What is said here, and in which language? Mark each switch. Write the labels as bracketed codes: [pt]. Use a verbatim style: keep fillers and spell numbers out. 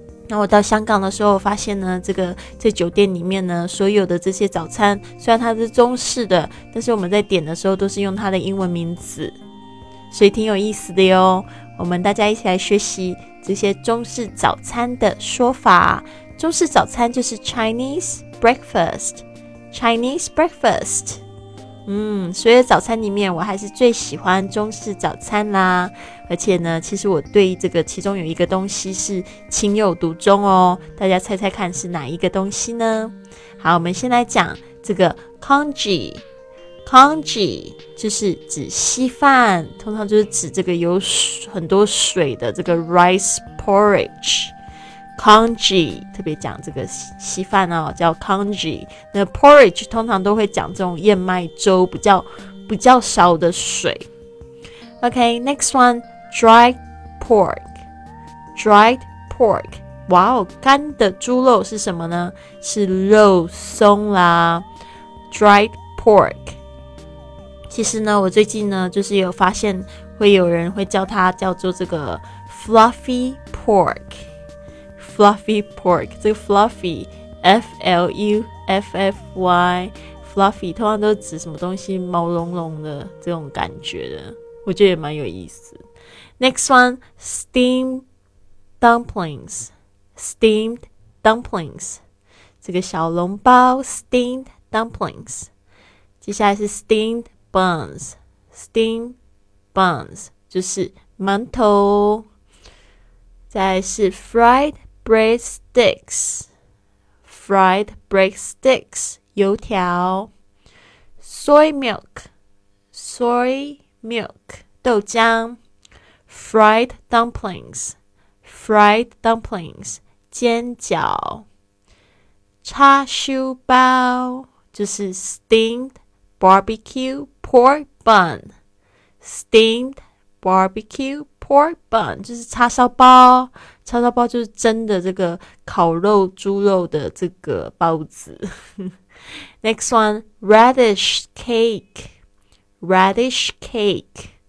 [zh] 那我到香港的时候发现呢，这个在酒店里面呢，所有的这些早餐虽然它是中式的，但是我们在点的时候都是用它的英文名字，所以挺有意思的哟。我们大家一起来学习这些中式早餐的说法。中式早餐就是 [en] Chinese breakfast， Chinese breakfast。 [zh] 嗯，所以早餐里面我还是最喜欢中式早餐啦。而且呢，其实我对这个其中有一个东西是情有独钟哦，大家猜猜看是哪一个东西呢？好，我们先来讲这个 congee。congee 就是指稀饭，通常就是指这个有很多水的这个 [en] rice porridge。 [zh] congee 特别讲这个稀饭哦，叫 congee。那 porridge 通常都会讲这种燕麦粥，比较比较少的水。 [en] OK， next one，Dried pork， dried pork， [zh] 哇哦，干的猪肉是什么呢？是肉松啦。 dried pork， 其实呢，我最近呢，就是有发现会有人会叫它叫做这个 [en] fluffy pork， fluffy pork， [zh] 这个 fluffy F L U F F Y， fluffy 通常都指什么东西毛茸茸的这种感觉的，我觉得也蛮有意思。 [en] Next one, steamed dumplings. Steamed dumplings. [zh] 这个小笼包 [en] steamed dumplings。 [zh] 接下来是 [en] steamed buns. [zh] Steamed buns 就是馒头。 [en] 再来是 fried bread sticks. Fried bread sticks 油条。 Soy milk. Soy milk 豆浆。 Fried dumplings, fried dumplings 煎饺。 [zh] 叉烧包就是 [en] steamed barbecue pork bun. Steamed barbecue pork bun [zh] 就是叉烧包，叉烧包就是蒸的这个烤肉猪肉的这个包子。 [en] Next one, radish cake. Radish cake.